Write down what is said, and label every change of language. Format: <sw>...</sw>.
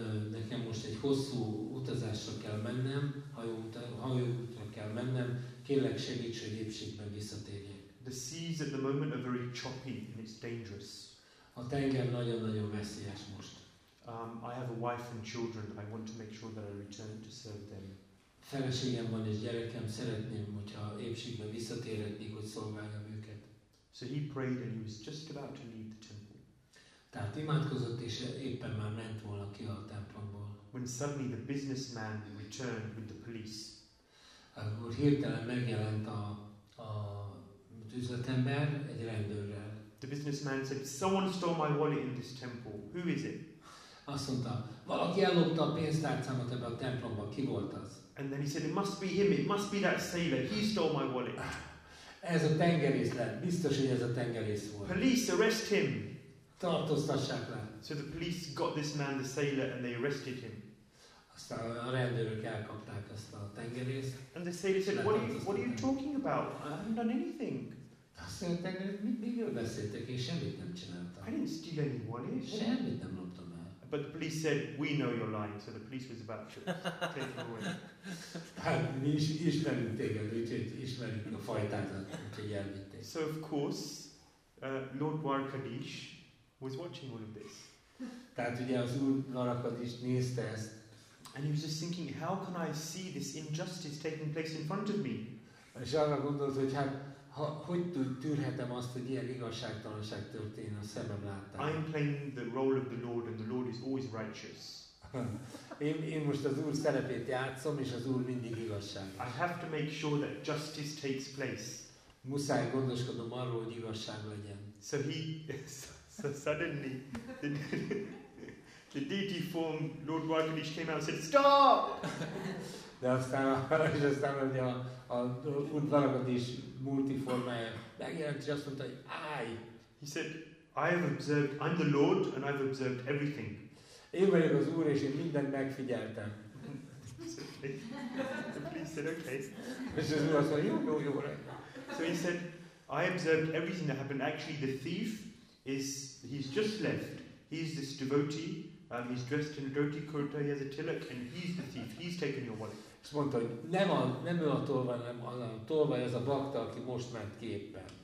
<hu>Nekem most egy hosszú utazásra kell mennem, hajóútra kell mennem, kérlek segíts, hogy épségben visszatérjek.</hu> <en>The seas at the moment are very choppy and it's dangerous.</en> <hu>A tenger nagyon-nagyon veszélyes most.</hu> <en>I have a wife and children, I want to make sure that I return to serve them.</en> <hu>Feleségem van és gyerekem, szeretném, hogyha épségben visszatérhetnék, hogy szolgáljam őket.</hu> <en>So he prayed and he was just about to leave the temple.</en> <hu>Tehát imádkozott, és éppen már ment volna ki a templomból.</hu> <en>When suddenly the businessman returned with the police.</en> <hu>Akkor hirtelen megjelent a üzletember egy rendőrrel.</hu> <en>The businessman said, someone stole my wallet in this temple. Who is it?</en> <hu>Azt mondta, valaki ellopta a pénztárcámat ebbe a templomba. Ki volt az?</hu> <en>And then he said, it must be him, it must be that sailor. He stole my wallet.</en> <hu>Ez a tengerész lett. Biztos, hogy ez a tengerész volt.</hu> <en>Police, arrest him!</en> <hu>Tartóztassák le.</hu> <en>So the police got this man, the sailor, and they arrested him.</en> <hu>Aztán a rendőrök elkapták ezt a tengerészt.</hu> <en>And the sailor said, what are you talking about? I haven't done anything.</en> <hu>Aztán a tengerészt, miről beszéltek, én semmit nem csináltam.</hu> <en>I didn't steal any wallet.</en> <hu>Semmit nem loptam el.</hu> <en>But the police said, we know you're lying. So the police was about to take away.</en> <hu>Mi is ismerünk téged, úgyhogy ismerünk a fajtádat, úgyhogy elvitték.</hu> <en>So of course, Lord Varkadish was watching all of this.</en> <hu>Tehát ugye az Úr Narakadist nézte ezt.</hu> <en>And he was just thinking, how can I see this injustice taking place in front of me?</en> <hu>És arra gondolt, hogy hát, hogy tűrhetem azt, hogy ilyen igazságtalanság történ a szemem láttára.</hu> <en>I'm playing the role of the Lord, and the Lord is always righteous.</en> <hu>Én most az Úr szerepét játszom, és az Úr mindig igazságos.</hu> <en>I have to make sure that justice takes place.</en> <hu>Muszáj gondoskodnom arról, hogy igazság legyen.</hu> <en>So suddenly, the deity form, Lord Varkadish, came out and said, stop!</en> <hu>De aztán, és aztán a Lord Varkadish multiformája megjelent, és azt mondta, hogy állj!</hu> <en>He said, I have observed, I'm the Lord, and I've observed everything.</en> <hu>Én vagyok az Úr, és én mindent megfigyeltem.</hu> <en>So please said, okay.</en> <hu>És az Úr azt mondta, jó.</hu> <en>So he said, I observed everything that happened. Actually, the thief, he's just left. He's this devotee. He's dressed in a dirty kurta. He has a tilak, and he's the thief. He's taken your wallet.</en> <hu>Azt mondta, hogy nem ő a tolvaj, nem az a tolvaj, ez a bakta, aki most ment ki éppen.</hu>